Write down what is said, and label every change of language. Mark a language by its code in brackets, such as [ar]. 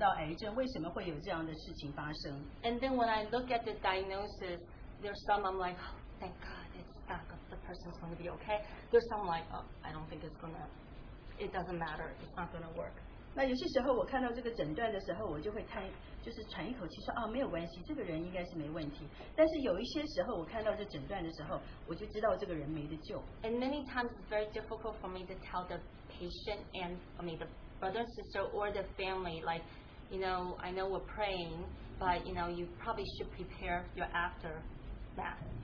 [zh] 那当然，在这个整个国家不同的地方人的人，他们如果知道了，我都会来找我。然后他们的对于这种癌症的反应，就是说，为什么他会得到癌症？为什么会有这样的事情发生？ [en] And then when I look at the diagnosis, there's some I'm like, oh, thank God it's not. The person's going to be okay. There's some like, oh, I don't think it's gonna. It doesn't matter. It's not gonna work. [zh] 那有些时候我看到这个诊断的时候，我就会叹，就是喘一口气说啊，没有关系，这个人应该是没问题。但是有一些时候我看到这诊断的时候，我就知道这个人没得救。 [en] And many times it's very difficult for me to tell the patient and I mean the brother and sister or the family, like, you know, I know we're praying, but you know, you probably should prepare your after that.